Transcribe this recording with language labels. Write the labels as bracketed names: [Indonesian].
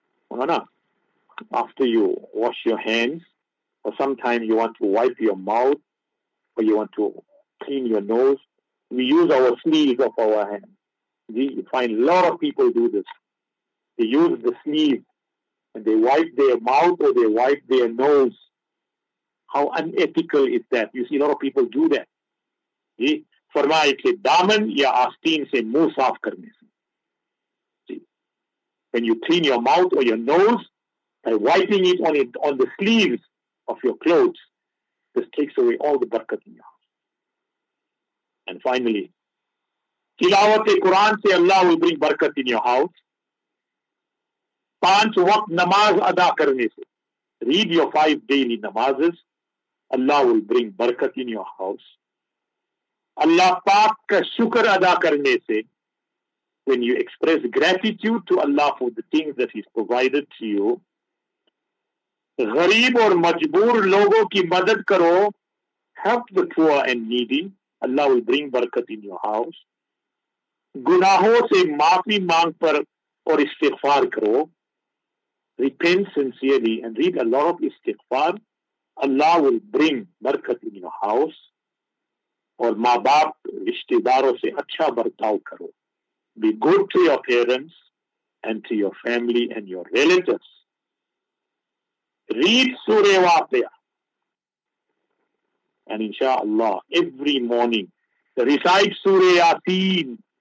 [English] Maulana, after you wash your hands, or sometimes you want to wipe your mouth, or you want to clean your nose, we use our sleeves of our hands. You find a lot of people do this. They use the sleeve and they wipe their mouth or they wipe their nose. How unethical is that? You see, a lot of people do that. [Urdu] فرمائے کہ دامن یا آستین سے مو صاف کرنے سے. [English] When you clean your mouth or your nose by wiping it on it on the sleeves of your clothes, this takes away all the barakat in your house. And finally, تلاوت قرآن سے Allah will bring barakat in your house. [Urdu] پانچ وقت نماز ادا کرنے سے. Read your five daily namazes. [English] Allah will bring barakat in your house. [Urdu] Allah پاک کا شکر ادا کرنے سے. [English] When you express gratitude to Allah for the things that He's provided to you. [Urdu] غریب اور مجبور لوگوں کی مدد کرو. [English] Help the poor and needy. Allah will bring barakat in your house. [Urdu] گناہوں سے معافی مانگ پر اور استغفار کرو. [English] Repent sincerely and read a lot of istighfar. Allah will bring barakat in your house. [Urdu] اور ماں باپ رشتہ داروں سے اچھا برتاؤ کرو. [English] Be good to your parents and to your family and your relatives. Read Surah Waqia. And inshallah, every morning, recite Surah Yaseen.